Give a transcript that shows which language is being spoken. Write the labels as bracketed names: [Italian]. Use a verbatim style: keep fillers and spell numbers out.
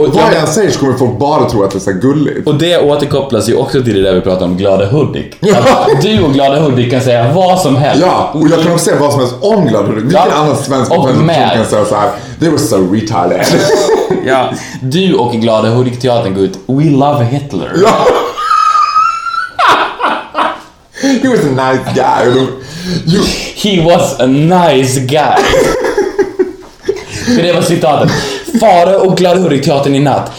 [Swedish] Och vad jag säger så kommer folk bara tro att det är så gulligt. Och det återkopplas ju också till det där vi pratade om Glada Hudik. Att du och Glada Hudik kan säga vad som helst. Ja, och jag kan också säga vad som helst om Glada Hudik. Vilken ja. annan svensk och med. Kan säga såhär, [English] they were so retarded. [Swedish] Ja, du och Glada Hudik-teatern går ut, [English] we love Hitler. [Swedish] Ja. [English] He was a nice guy. You... He was a nice guy. [Swedish] För det var citatet. Fare och Glada Hudik-teatern i natt.